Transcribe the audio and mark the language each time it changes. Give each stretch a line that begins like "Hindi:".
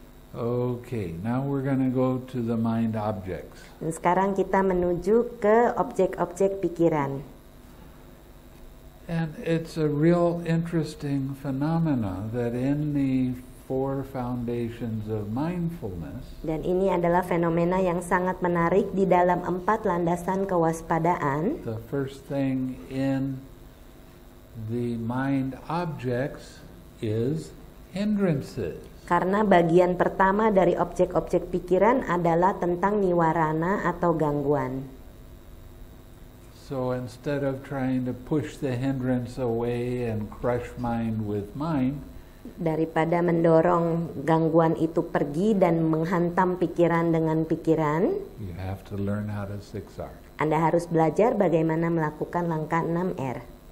English: Okay, now we're going to go to the mind objects.
Indonesian: Dan sekarang kita menuju ke objek-objek pikiran.
English: And it's a real interesting phenomena that in the four foundations of mindfulness.
Indonesian: Dan ini adalah fenomena yang sangat menarik di dalam empat landasan kewaspadaan.
English: The first thing in the mind objects is hindrances.
Indonesian: Karena bagian pertama dari objek-objek pikiran adalah tentang niwarana atau gangguan.
English: So instead of trying to push the hindrance away and crush mind with mind,
Indonesian: daripada mendorong gangguan itu pergi dan menghantam pikiran dengan pikiran,
English: you have to learn how to six R.
Indonesian: Anda harus belajar bagaimana melakukan langkah 6R.